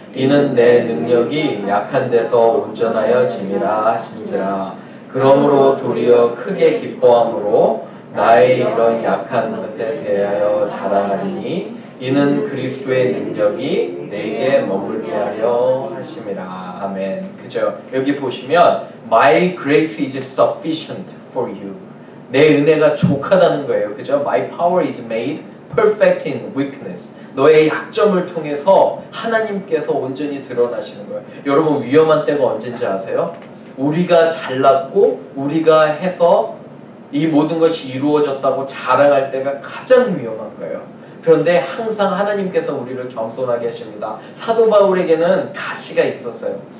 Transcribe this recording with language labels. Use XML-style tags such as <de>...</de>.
<ko>이는 내 능력이 약한 데서 온전하여 짐이라 하신지라. 그러므로 도리어 크게 기뻐함으로 나의 이런 약한 것에 대하여 자랑하리니 이는 그리스도의 능력이 내게 머물게 하려 하심이라. 아멘. 그죠? 여기 보시면</ko> <en>My grace is sufficient for you.</en> <ko>내 은혜가 족하다는 거예요. 그죠?</ko> <en>My power is made perfect in weakness.</en> <ko>너의 약점을 통해서 하나님께서 온전히 드러나시는 거예요. 여러분 위험한 때가 언제인지 아세요? 우리가 잘났고 우리가 해서 이 모든 것이 이루어졌다고 자랑할 때가 가장 위험한 거예요. 그런데 항상 하나님께서 우리를 겸손하게 하십니다. 사도 바울에게는 가시가 있었어요.</ko>